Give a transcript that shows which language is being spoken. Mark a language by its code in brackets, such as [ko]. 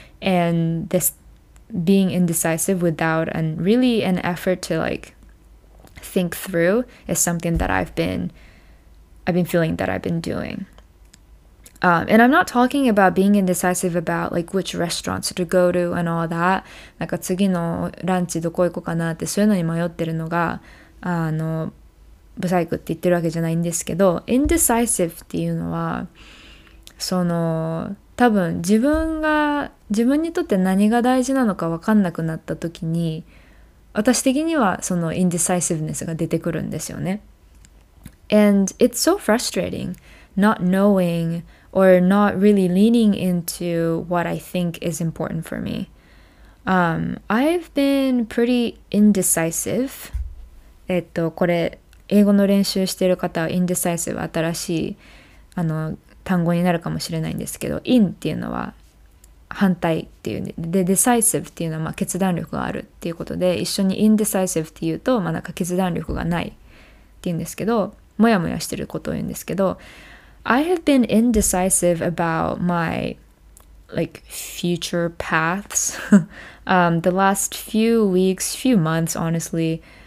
[en] And this being indecisive without and really an effort to like think through is something that I've been feeling that I've been doing. And I'm not talking about being indecisive about like which restaurants to go to and all that. [ja] なんか次のランチどこ行こうかなってそういうのに迷ってるのが、ブサイクって言ってるわけじゃないんですけど、indecisive っていうのは、その、多分自分にとって何が大事なのか分かんなくなった時に、私的にはその indecisiveness が出てくるんですよね。 [en] And it's so frustrating not knowing or not really leaning into what I think is important for me. I've been pretty indecisive. [ja] これ英語の練習してる方は indecisive 新しい単語になるかもしれないんですけど、 in っていうのは反対っていう、で decisive っていうのはまあ決断力があるっていうことで、一緒に indecisive っていうと、まあ、なんか決断力がないっていうんですけど、もやもやしてることを言うんですけど、 [en] I have been indecisive about my like future paths the last few weeks, few months, honestly.